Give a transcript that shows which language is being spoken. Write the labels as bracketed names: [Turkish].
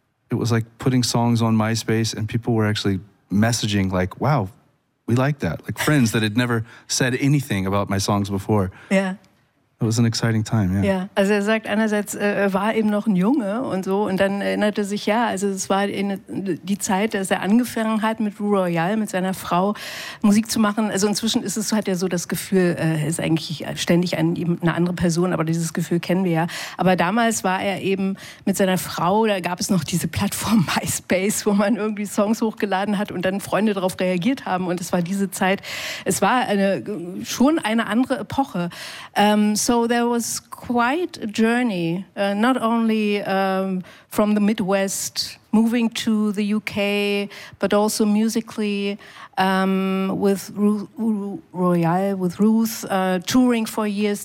[English] It was like putting songs on MySpace, and people were actually messaging like, wow, we like that. Like friends that had never said anything about my songs before. Yeah. It was an exciting time, yeah. [German] Ja, also er sagt einerseits, er war eben noch ein Junge und so und dann erinnerte sich, ja, also es war die Zeit, dass er angefangen hat mit Rue Royale, mit seiner Frau Musik zu machen. Also inzwischen ist es, hat er so das Gefühl, er ist eigentlich ständig eine andere Person, aber dieses Gefühl kennen wir ja. Aber damals war er eben mit seiner Frau, da gab es noch diese Plattform MySpace, wo man irgendwie Songs hochgeladen hat und dann Freunde darauf reagiert haben und es war diese Zeit, es war schon eine andere Epoche. [English] So there was quite a journey, not only from the Midwest, moving to the UK, but also musically with Royale, with Ruth, touring for years.